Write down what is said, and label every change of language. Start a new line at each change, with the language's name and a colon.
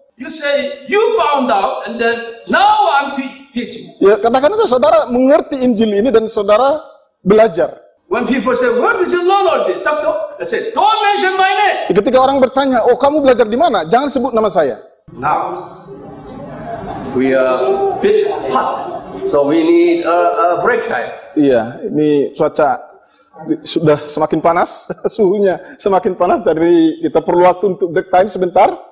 English: You say you found out and then now I'm teaching.
Indonesian: Ya, katakan itu saudara mengerti Injil ini dan saudara belajar.
English: When people say, where did you learn all this? Doctor, I say, don't mention my name.
Indonesian: Ketika orang bertanya, oh, kamu belajar di mana? Jangan sebut nama saya.
English: Now, we are a bit hot, so we need a break time.
Indonesian: Iya, ini cuaca sudah semakin panas, suhunya semakin panas, jadi kita perlu waktu untuk break time sebentar.